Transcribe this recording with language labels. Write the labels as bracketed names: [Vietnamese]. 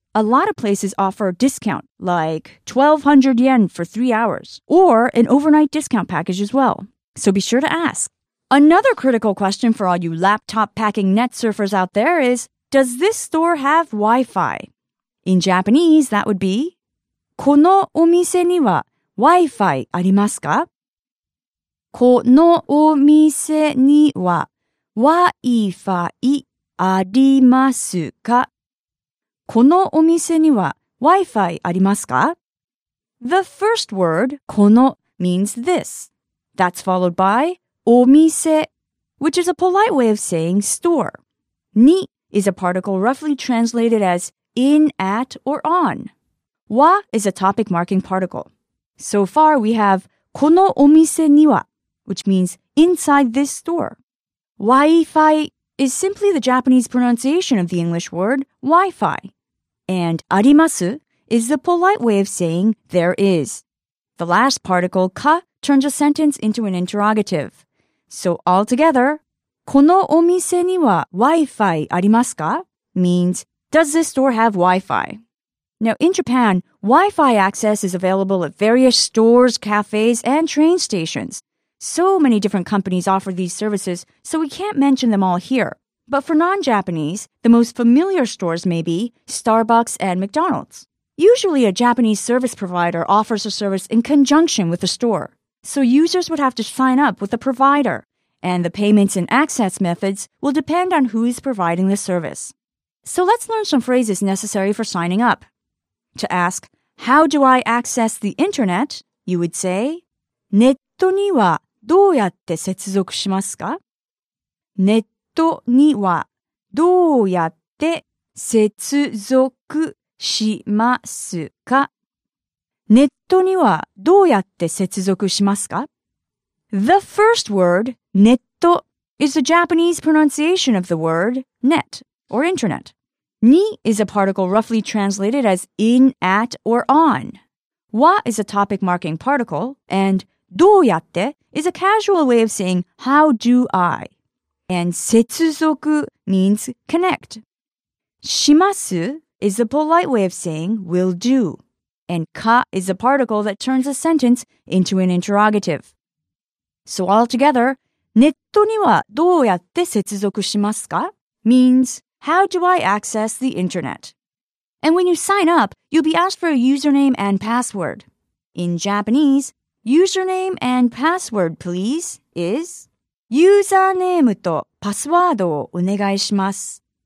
[English] A lot of places offer a discount, like 1,200 yen for 3 hours, or an overnight discount package as well. So be sure to ask. Another critical question for all you laptop-packing net surfers out there is, does this store have Wi-Fi? In Japanese, that would be, [Japanese] この お店には Wi-Fi ありますか? このお店には Wi-Fi ありますか? このお店には Wi-Fi ありますか? [English] The first word, この, means this. That's followed by お店, which is a polite way of saying store. に is a particle roughly translated as in, at, or on. Wa is a topic marking particle. So far we have [Japanese] このお店には, [English] which means inside this store. Wi-Fi is simply the Japanese pronunciation of the English word Wi-Fi. And arimasu is the polite way of saying there is. The last particle, ka, turns a sentence into an interrogative. So altogether, [Japanese] このお店には Wi-Fi ありますか? [English] Means, does this store have Wi-Fi? Now in Japan, Wi-Fi access is available at various stores, cafes, and train stations. So many different companies offer these services, so we can't mention them all here. But for non-Japanese, the most familiar stores may be Starbucks and McDonald's. Usually a Japanese service provider offers a service in conjunction with a store. So users would have to sign up with a provider. And the payments and access methods will depend on who is providing the service. So let's learn some phrases necessary for signing up. To ask, how do I access the internet? You would say, [Japanese] ネットにはどうやって接続しますか? ネットにはどうやって接続しますか? ネットにはどうやって接続しますか? [English] The first word, ネット, is the Japanese pronunciation of the word net, or internet. に is a particle roughly translated as in, at, or on. わ is a topic marking particle, andどうやって is a casual way of saying, how do I? And 接続 means connect. [Japanese] します [English] is a polite way of saying, will do. And か is a particle that turns a sentence into an interrogative. So altogether, [Japanese] ネットにはどうやって接続しますか? [English] Means, how do I access the internet? And when you sign up, you'll be asked for a username and password. In Japanese,Username and password, please, is [Japanese] Username とパスワードをお願いします。